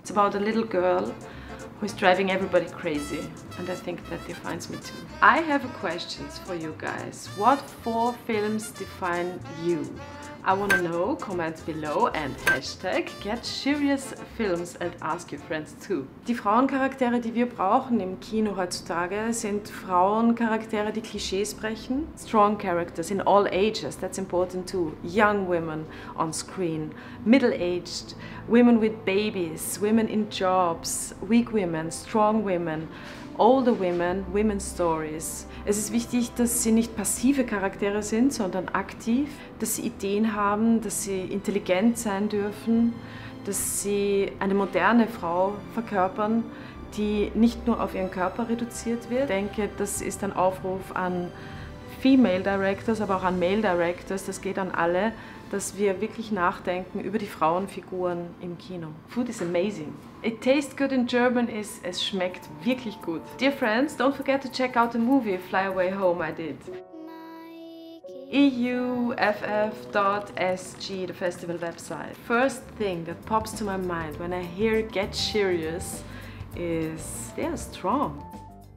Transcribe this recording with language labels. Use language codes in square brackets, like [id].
[en] It's about a little girl who is driving everybody crazy. And I think that defines me too. I have a question for you guys. What four films define you? I wanna know, comment below and hashtag get serious films and ask your friends too. [de] Die Frauencharaktere, die wir brauchen im Kino heutzutage, sind Frauencharaktere, die Klischees brechen. [en] Strong characters in all ages, that's important too. Young women on screen, middle-aged, women with babies, women in jobs, weak women, strong women. Older women, women's stories. [de] Es ist wichtig, dass sie nicht passive Charaktere sind, sondern aktiv, dass sie Ideen haben, dass sie intelligent sein dürfen, dass sie eine moderne Frau verkörpern, die nicht nur auf ihren Körper reduziert wird. Ich denke, das ist ein Aufruf an Female Directors, aber auch an Male Directors, das geht an alle, dass wir wirklich nachdenken über die Frauenfiguren im Kino. [en] Food is amazing. It tastes good in German is, [de] es schmeckt wirklich gut. [en] Dear friends, don't forget to check out the movie Fly Away Home I did. EUFF.SG, the festival website. First thing that pops to my mind when I hear Get Serious is they are strong.